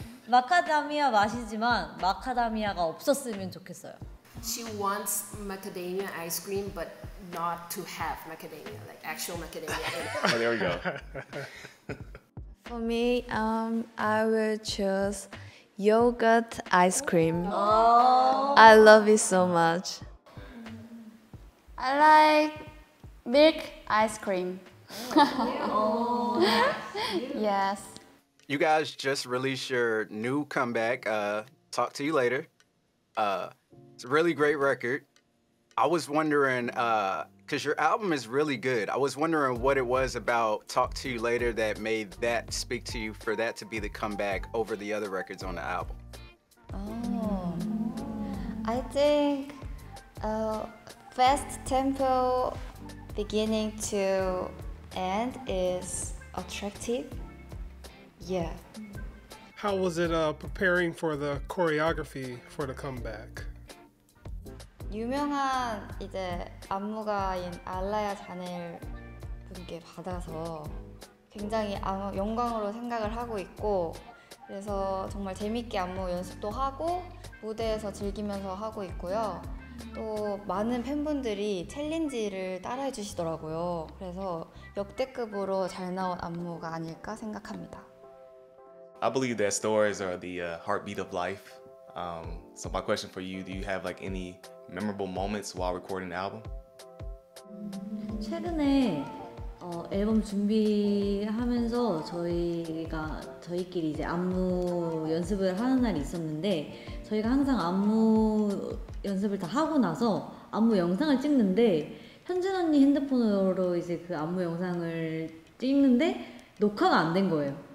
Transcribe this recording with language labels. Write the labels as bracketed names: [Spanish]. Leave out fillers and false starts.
[Korean] 마카다미아 맛이지만 마카다미아가 없었으면 좋겠어요. [English] She wants macadamia ice cream, but not to have macadamia, like actual macadamia. Oh, there we go. For me, I will choose yogurt ice cream. Oh. I love it so much. I like milk ice cream. Oh, yes. You guys just released your new comeback, Talk To You Later. It's a really great record. I was wondering, because your album is really good, I was wondering what it was about Talk To You Later that made that speak to you for that to be the comeback over the other records on the album. Oh, I think fast tempo beginning to end is attractive. Yeah. How was it preparing for the choreography for the comeback? [Korean] 유명한 이제 안무가인 알라야 자넬 분께 받아서 굉장히 영광으로 생각을 하고 있고 그래서 정말 재밌게 안무 연습도 하고 무대에서 즐기면서 하고 있고요. 또 많은 팬분들이 챌린지를 따라해 주시더라고요. 그래서 역대급으로 잘 나온 안무가 아닐까 생각합니다. [English] I believe that stories are the heartbeat of life. So my question for you, do you have like any memorable moments while recording the album? [Korean] 최근에 앨범 준비하면서 저희끼리 이제 안무 연습을 하는 날이 있었는데 저희가 항상 안무 연습을 다 하고 나서 안무 영상을 찍는데 현진 언니 핸드폰으로 이제 그 안무 영상을 찍는데 녹화가 안 된 거예요.